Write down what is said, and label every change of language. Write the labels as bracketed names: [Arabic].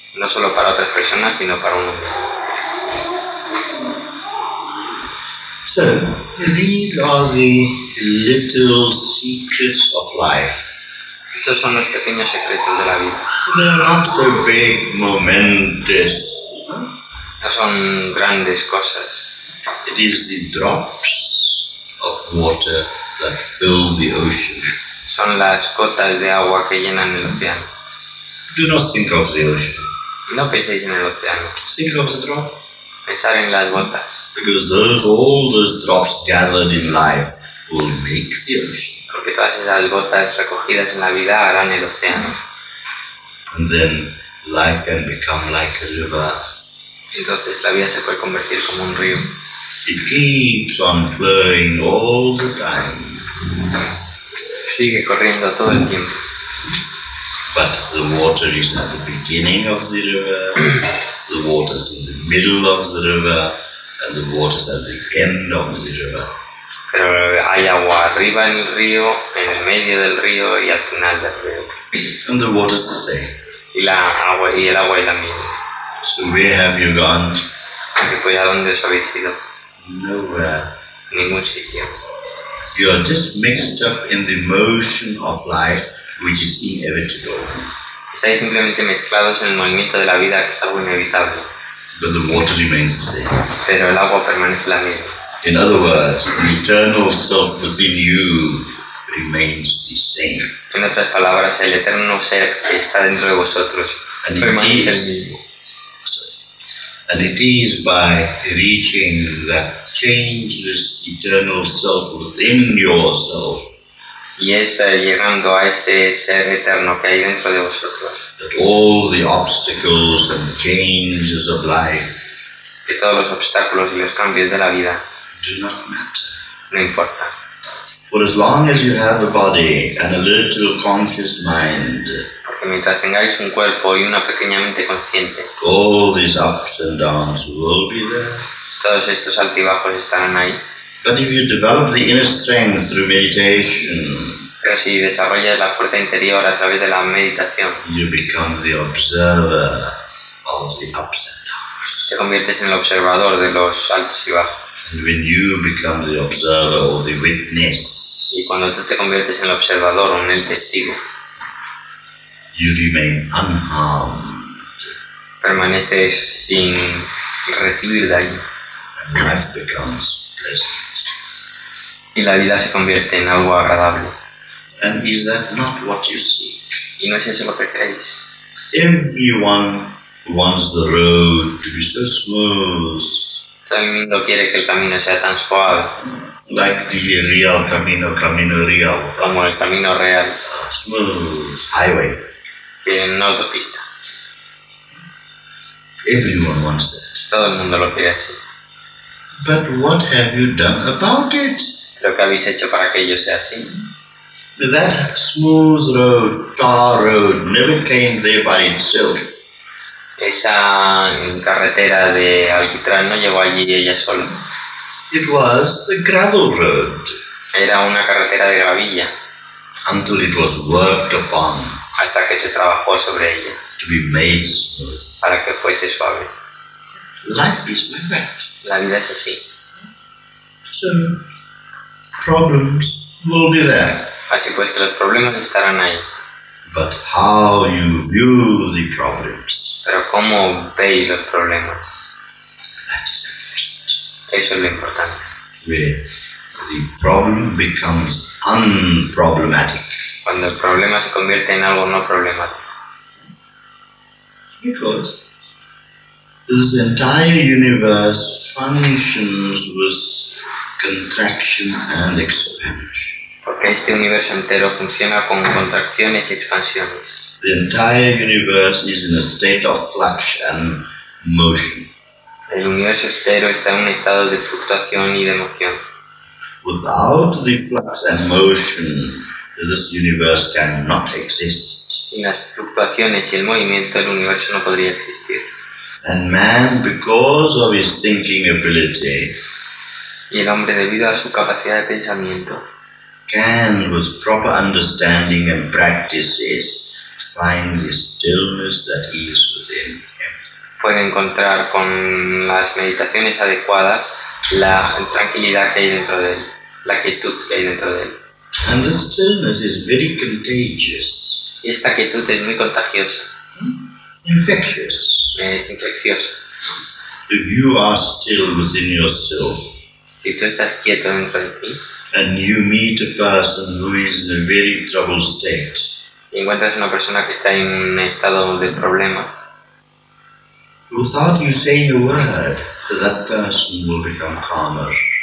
[Spanish] No solo para otras personas, sino para uno mismo. [English] So, these are the little secrets of life. [Spanish] Estos son los pequeños secretos de la vida. [English] They are not so big, momentous. [Spanish] No son grandes cosas. [English] It is the drops of water that fill the ocean. [Spanish] Son las gotas de agua que llenan el océano. [English] Do not think of the ocean. [Spanish] No penséis en el océano. [English] Think of the drop. [Spanish] Pensar en las gotas. [English] Because those, all those drops gathered in life will make the ocean. [Spanish] Porque todas esas gotas recogidas en la vida harán el océano. [English] And then life can become like a river. [Spanish] Entonces la vida se puede convertir como un río. [English] It keeps on flowing all the time. [Spanish] Sigue corriendo todo el tiempo. [English] But the water is at the beginning of the river. The water is in the middle of the river. And the water is at the end of the river. [Spanish] Pero hay agua arriba en el río, en el medio del río y al final del río. [English] And the water is the same. [Spanish] Y y la agua y el agua y la miel. [English] So where have you gone? [Spanish] ¿Y fue a dónde os habéis ido? [English] Nowhere. [Spanish] Ningún sitio. [English] You are just mixed up in the motion of life, which is inevitable. [Spanish] Estáis simplemente mezclados en el movimiento de la vida, que es algo inevitable. [English] But the water remains the same. [Spanish] Pero el agua permanece la misma. [English] In other words, the eternal self within you remains the same. [Spanish] En otras palabras, el eterno ser que está dentro de vosotros permanece el mismo. [English] And it is by reaching that changeless eternal self within yourself. [Spanish] Y es llegando a ese ser eterno que hay dentro de vosotros. [English] That all the obstacles and changes of life. [Spanish] Que todos los obstáculos y los cambios de la vida. [English] Do not matter. [Spanish] No importa. [English] For as long as you have a body and a little conscious mind. [Spanish] Que mientras tengáis un cuerpo y una pequeña mente consciente, [English] all these ups and downs will be there. [Spanish] Todos estos altibajos estarán ahí. [English] But if you develop the inner strength through meditation, [Spanish] pero si desarrollas la fuerza interior a través de la meditación, [English] you become the observer of the ups and downs. [Spanish] Te conviertes en el observador de los altos y bajos. [English] And when you become the observer or the witness, [Spanish] y cuando tú te conviertes en el observador o en el testigo, [English] you remain unharmed. [Spanish] Permaneces sin recibir daño. [English] And life becomes pleasant. [Spanish] Y la vida se convierte en algo agradable. [English] And is that not what you seek? [Spanish] Y no es eso lo que queréis. [English] Everyone wants the road to be so smooth. [Spanish] Todo el mundo quiere que el camino sea tan suave. [English] Like the real camino, [Spanish] camino real. Como el camino real. [English] Smooth highway. [Spanish] En autopista. [English] Everyone wants that. [Spanish] Todo el mundo lo quiere así. [English] But what have you done about it? [Spanish] ¿Pero qué habéis hecho para que ello sea así? [English] That smooth road, tar road, never came there by itself. [Spanish] Esa carretera de alquitrán no llegó allí ella sola. [English] It was the gravel road. [Spanish] Era una carretera de gravilla. [English] Until it was worked upon. [Spanish] Hasta que se trabajó sobre ella. [English] To be made smooth. [Spanish] Para que fuese suave. [English] Life is like that. [Spanish] La vida es así. [English] So, problems will be there. [Spanish] Así pues que los problemas estarán ahí. [English] But how you view the problems. [Spanish] Pero cómo veis los problemas. [English] That is important. [Spanish] Eso es lo importante. [English] Where the problem becomes unproblematic. [Spanish] Cuando el problema se convierte en algo no problemático. [English] Because this entire universe functions with contraction and expansion. [Spanish] Porque este universo entero funciona con contracciones y expansiones. [English] The entire universe is in a state of flux and motion. [Spanish] El universo entero está en un estado de fluctuación y de emoción. [English] Without the flux and motion, this universe cannot exist. [Spanish] Sin las fluctuaciones y el movimiento, el universo no podría existir. [English] And man, because of his thinking ability, [Spanish] y el hombre, debido a su capacidad de pensamiento, [English] can, with proper understanding and practices, find the stillness that is within him. [Spanish] Puede encontrar con las meditaciones adecuadas la tranquilidad que hay dentro de él, la quietud que hay dentro de él. [English] And this stillness is very contagious. [Spanish] Esta quietud es muy contagiosa. [English] Infectious. [Spanish] Es infecciosa. [English] If you are still within yourself, [Spanish] si tú estás quieto dentro de ti, [English] and you meet a person who is in a very troubled state, [Spanish] y encuentras una persona que está en un estado de problema, [English] without you saying a word, that person will become calmer.